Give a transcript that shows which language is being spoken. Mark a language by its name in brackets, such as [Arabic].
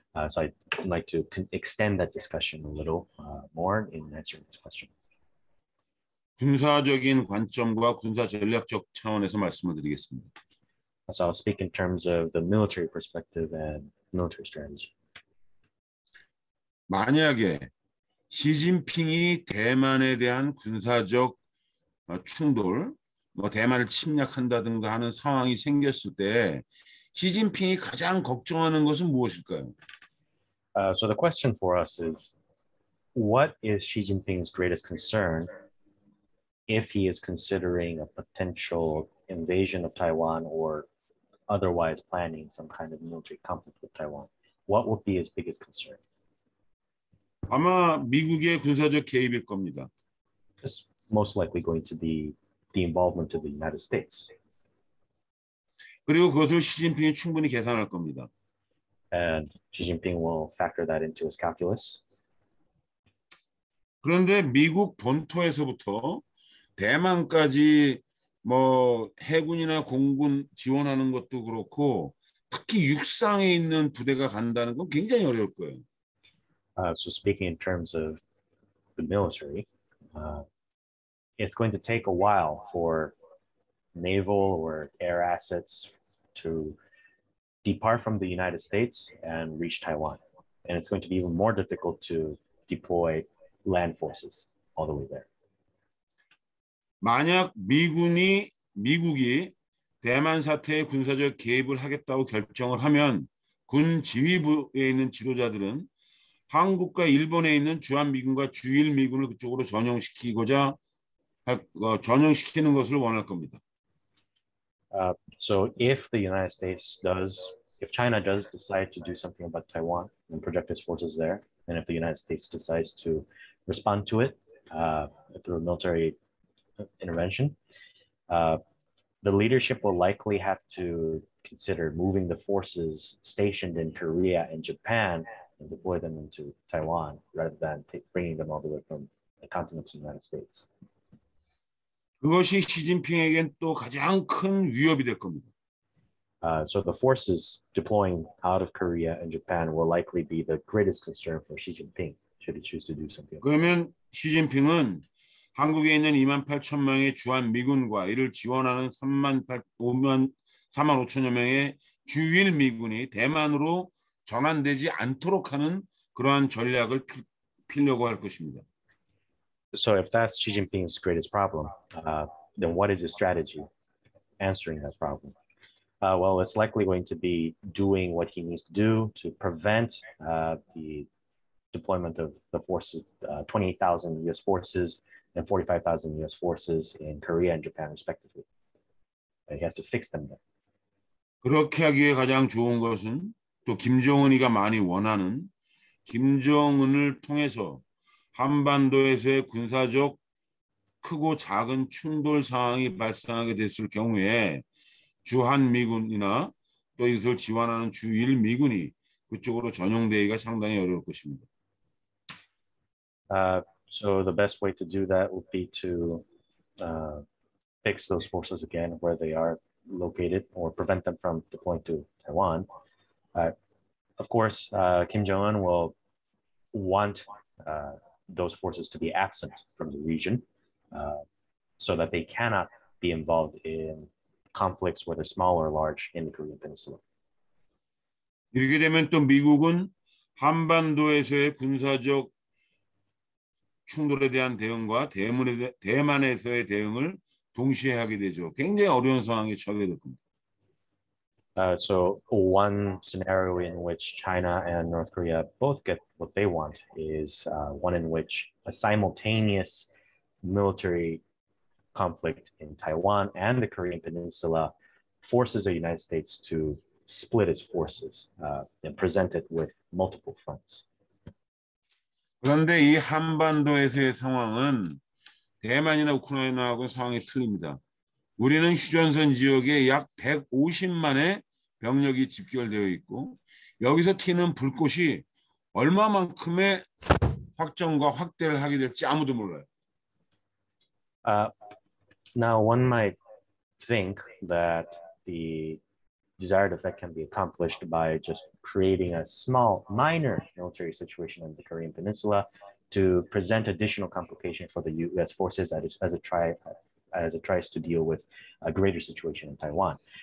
[English] So I'd like to extend that discussion a little more in answering this question. [Korean] 군사적인 관점과 군사 전략적 차원에서 말씀을 드리겠습니다. [English] So I'll speak in terms of the military perspective and military strategy. [Korean] 만약에 시진핑이 대만에 대한 군사적 충돌, 뭐 대만을 침략한다든가 하는 상황이 생겼을 때 시진핑이 가장 걱정하는 것은 무엇일까요? [English] So the question for us is, what is Xi Jinping's greatest concern if he is considering a potential invasion of Taiwan or otherwise planning some kind of military conflict with Taiwan? What would be his biggest concern? [Korean] 아마 미국의 군사적 개입일 겁니다. [English] It's most likely going to be the involvement of the United States. [Korean] 그리고 그것을 시진핑이 충분히 계산할 겁니다. [English] And Xi Jinping will factor that into his calculus. [Korean] 그런데 미국 본토에서부터 대만까지 뭐 해군이나 공군 지원하는 것도 그렇고 특히 육상에 있는 부대가 간다는 건 굉장히 어려울 거예요. [English] So speaking in terms of the military, it's going to take a while for naval or air assets to depart from the United States and reach Taiwan. And it's going to be even more difficult to deploy land forces all the way there. [Korean] 만약 미국이 대만 사태에 군사적 개입을 하겠다고 결정을 하면 군 지휘부에 있는 지도자들은 한국과 일본에 있는 주한미군과 주일미군을 그쪽으로 전용시키고자 전용시키는 것을 원할 겁니다. [English] So if the United States does, if China does decide to do something about Taiwan and project its forces there, and if the United States decides to respond to it through a military intervention, the leadership will likely have to consider moving the forces stationed in Korea and Japan and deploy them into Taiwan rather than bringing them all the way from the continent to the United States. [Korean] 그것이 시진핑에겐 또 가장 큰 위협이 될 겁니다. [English] So the forces deploying out of Korea and Japan will likely be the greatest concern for Xi Jinping should he choose to do something. [Korean] 그러면 Xi Jinping은 한국에 있는 2만 8천 명의 주한 미군과 이를 지원하는 3만 5천여 명의 주일 미군이 대만으로 전환되지 않도록 하는 그러한 전략을 피려고 할 것입니다. [English] So if that's Xi Jinping's greatest problem, then what is his strategy answering that problem? Well, it's likely going to be doing what he needs to do to prevent the deployment of the forces, 28,000 U.S. forces and 45,000 U.S. forces in Korea and Japan, respectively. But he has to fix them there. [Korean] 그렇게 하기에 가장 좋은 것은 또 김정은이가 많이 원하는 김정은을 통해서 한반도에서의 군사적 크고 작은 충돌 상황이 발생하게 됐을 경우에 주한 미군이나 또 이것을 지원하는 주일 미군이 그쪽으로 전용되기가 상당히 어려울 것입니다. [English] So the best way to do that would be to fix those forces again where they are located or prevent them from deploying to Taiwan. Of course, Kim Jong-un will want those forces to be absent from the region so that they cannot be involved in conflicts, whether small or large, in the Korean Peninsula. [Korean] 이렇게 되면 또 미국은 한반도에서의 군사적 충돌에 대한 대응과 대만에서의 대응을 동시에 하게 되죠. 굉장히 어려운 상황에 처하게 될 겁니다. [English] So one scenario in which China and North Korea both get what they want is one in which a simultaneous military conflict in Taiwan and the Korean Peninsula forces the United States to split its forces and present it with multiple fronts. [Korean] 그런데 이 한반도에서의 상황은 대만이나 우크라이나하고 상황이 틀립니다. 우리는 휴전선 지역에 약 150만의 병력이 집결되어 있고 여기서 튀는 불꽃이 얼마만큼의 확정과 확대를 하게 될지 아무도 몰라요. [English] Now one might think that the desired effect can be accomplished by just creating a small, minor military situation in the Korean Peninsula to present additional complications for the U.S. forces as it tries to deal with a greater situation in Taiwan.